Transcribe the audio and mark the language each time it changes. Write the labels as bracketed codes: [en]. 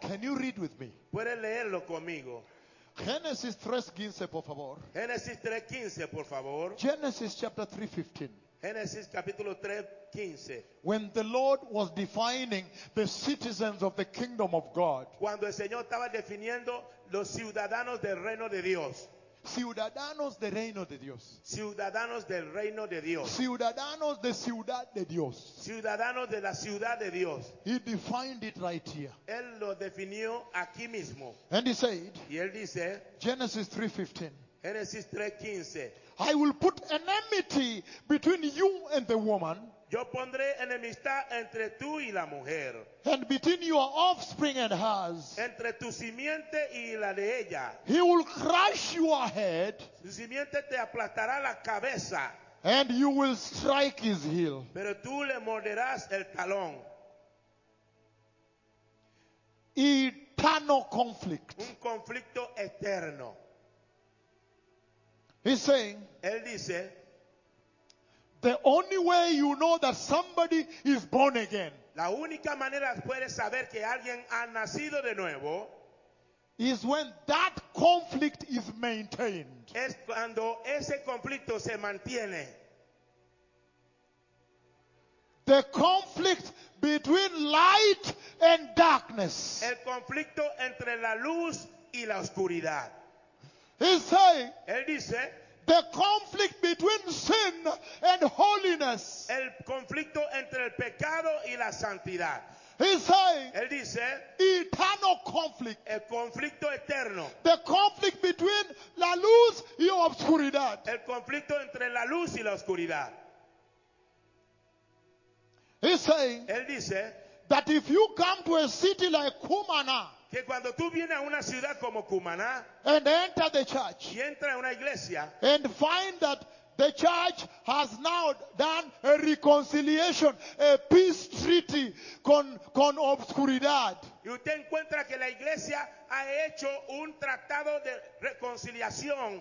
[en] Can you read with me? [es] ¿Puedes leerlo conmigo? Génesis 3:15, por favor. Génesis 3:15, por favor. [en] Genesis chapter 3:15. [es] Genesis capítulo 3, 15. [en] When the Lord was defining the citizens of the kingdom of God. [es] Cuando el Señor estaba definiendo los ciudadanos del reino de Dios. Ciudadanos del reino de Dios. Ciudadanos del reino de Dios. Ciudadanos de ciudad de Dios. Ciudadanos de la ciudad de Dios. [en] He defined it right here. [es] Él lo definió aquí mismo. [en] And he said. [es] Y él dice. [en] Genesis 3:15. [es] Genesis 3:15. [en] I will put enmity between you and the woman. [es] Yo pondré enemistad entre tú y la mujer. [en] And between your offspring and hers. [es] Entre tu simiente y la de ella. [en] He will crush your head. [es] Su simiente te aplastará la cabeza. [en] And you will strike his heel. [es] Pero tú le morderás el talón. [en] Eternal conflict. [es] Un conflicto eterno. [en] He's saying. [es] Él dice. [en] The only way you know that somebody is born again. [es] La única manera puedes saber que alguien ha nacido de nuevo. [en] Is when that conflict is maintained. [es] Es cuando ese conflicto se mantiene. [en] The conflict between light and darkness. [es] El conflicto entre la luz y la oscuridad. [en] He's saying. [es] Él dice. [en] The conflict between sin and holiness. [es] El conflicto entre el pecado y la santidad. [en] He's saying. [es] Él dice. [en] Eternal conflict. [es] El conflicto eterno. [en] The conflict between [es] la luz y la oscuridad. El conflicto entre la luz y la oscuridad. [en] He's saying. [es] Él dice. [en] That if you come to a city like Cumaná. [es] Que cuando tú vienes a una ciudad como Cumaná, [en] and enter the church, [es] y entra a una iglesia, [en] and find that the church has now done a reconciliation, a peace treaty [es] con obscuridad. Y usted encuentra que la iglesia ha hecho un tratado de reconciliación,